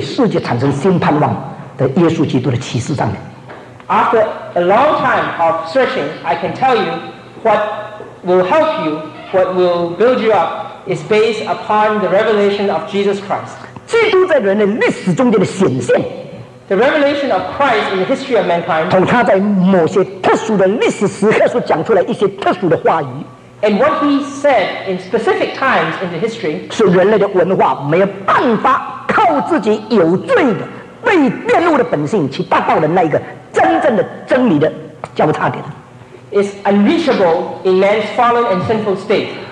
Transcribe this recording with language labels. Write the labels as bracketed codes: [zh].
[zh] 我感觉呢，我做了很长久的思考。我感觉我的信仰是建立在一个可以帮助你、可以建立你、也可以对世界产生新盼望的耶稣基督的启示上面。 [en] After a long time of searching, I can tell you what will help you, what will build you up. Is based upon the revelation of Jesus Christ. [zh] 基督在人类历史中间的显现, [en] the revelation of Christ in the history of mankind, [zh] 同他在某些特殊的历史时刻所讲出来一些特殊的话语, [en] and what he said in specific times in the history, [zh] 是人类的文化没有办法靠自己有罪的被玷污的本性去达到的那一个真正的真理的交叉点, [en] is unreachable in man's fallen and sinful state.